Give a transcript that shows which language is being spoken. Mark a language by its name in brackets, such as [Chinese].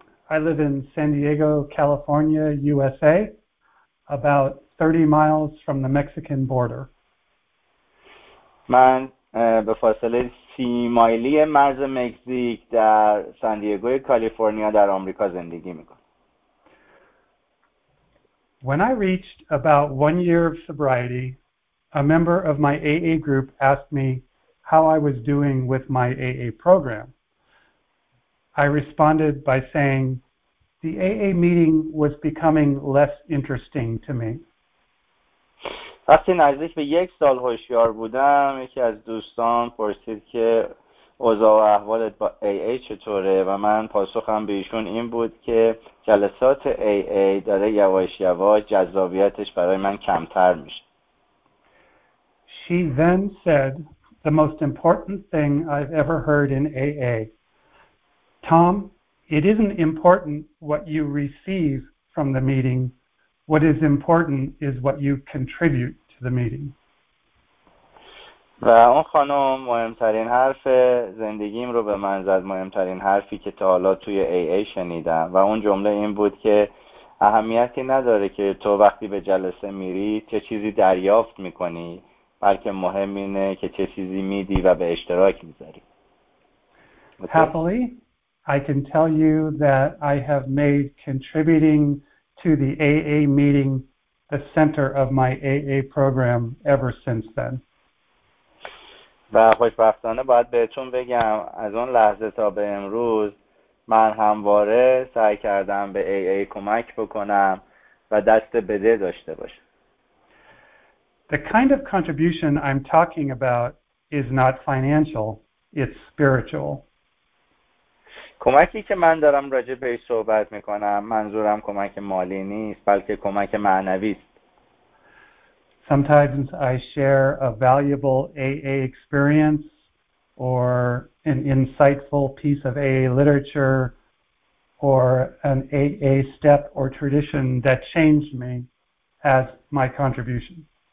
[English] I live in San Diego, California, USA. About 30 miles from the Mexican border. [Persian] من به فاصله 30 مایلی مرز مکزیک در سان دیگو کالیفرنیا در آمریکا زندگی میکنم. [English] When I reached about 1 year of sobriety, a member of my AA group asked me how I was doing with my AA program. I responded by saying, the AA meeting was becoming less interesting to me. [Persian] وقتی نزدیک به یک سال هوشیار بودم، یکی از دوستان پرسید که اوضاع و احوالت با AA چطوره و من پاسخم به ایشون این بود که جلسات AA داره یواش یواش جذابیتش برای من کمتر میشه. [English] She then said, the most important thing I've ever heard in AA. Tom, it isn't important what you receive from the meeting. What is important is what you contribute to the meeting. [Persian] و اون خانم مهمترین حرف زندگیم رو به من زد، مهمترین حرفی که تا حالا توی AA شنیدم، و اون جمله این بود که اهمیتی نداره که تو وقتی به جلسه میری چه چیزی دریافت میکنی، بلکه مهم اینه که چه چیزی میدی و به اشتراک میذاری. [English] Happily, I can tell you that I have made contributing to the AA meeting the center of my AA program ever since then. [Persian] و خوشبختانه باید بهتون بگم از اون لحظه تا به امروز من همواره سعی کردم به AA کمک بکنم و دست بده داشته باشم. [English] The kind of contribution I'm talking about is not financial, it's spiritual. [Persian] کمکی که من دارم راجع بهش صحبت میکنم منظورم کمک مالی نیست، بلکه کمک معنوی است. [English] Sometimes I share a valuable AA experience or an insightful piece of AA literature or an AA step or tradition that changed me as my contribution.